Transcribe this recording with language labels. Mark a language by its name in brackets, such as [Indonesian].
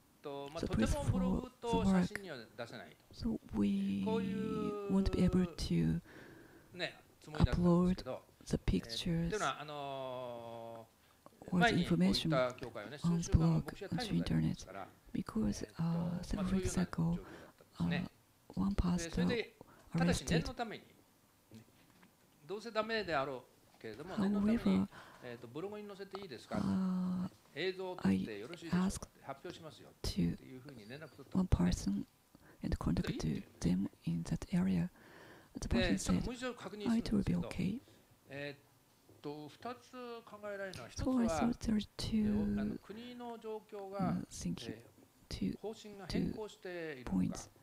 [Japanese] とてもブログと写真には出せない。 [English] So we won't be able to upload the pictures or the information on the blog on the internet. Because several weeks ago, one pastor arrested. [Japanese] どうせダメであろうけれども、念のためにブログに載せていいですか、映像を撮ってよろしいですか、発表しますよというふうに連絡取った。 [English] One person and contact to them in that area. The person said, I will be okay. [Japanese] 2つ考えられるのは、1つは国の状況が方針が変更しているのか。